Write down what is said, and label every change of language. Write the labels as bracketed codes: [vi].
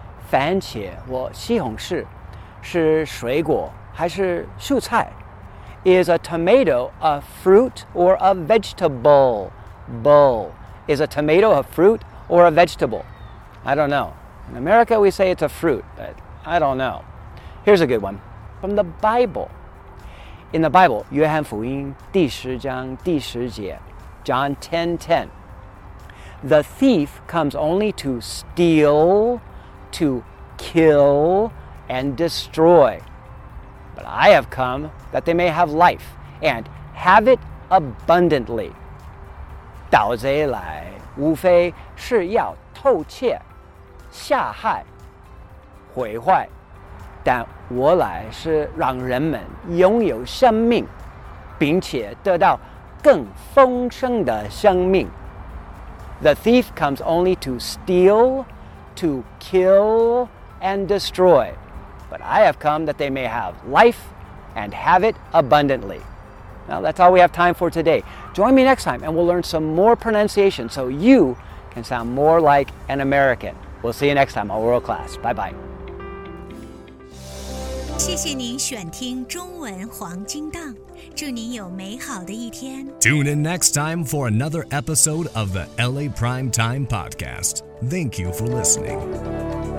[zh] 番茄或西红柿是水果还是蔬菜? [en] Is a tomato a fruit or a vegetable? Bull. Is a tomato a fruit or a vegetable? I don't know. In America, we say it's a fruit, but I don't know. Here's a good one. From the Bible. In the Bible, [zh] 约翰福音第十章第十节 [en] John 10:10. The thief comes only to steal, to kill, and destroy. But I have come that they may have life and have it abundantly. [zh] 盗贼来无非是要偷窃、下害、毁坏，但我来是让人们拥有生命，并且得到更丰盛的生命。 [en] The thief comes only to steal, to kill, and destroy. But I have come that they may have life and have it abundantly. Now, that's all we have time for today. Join me next time and we'll learn some more pronunciation so you can sound more like an American. We'll see you next time on World Class. Bye-bye. [zh] 谢谢您选听中文黄金档。祝您有美好的一天。 [en] Tune in next time for another episode of the LA Prime Time Podcast. Thank you for listening.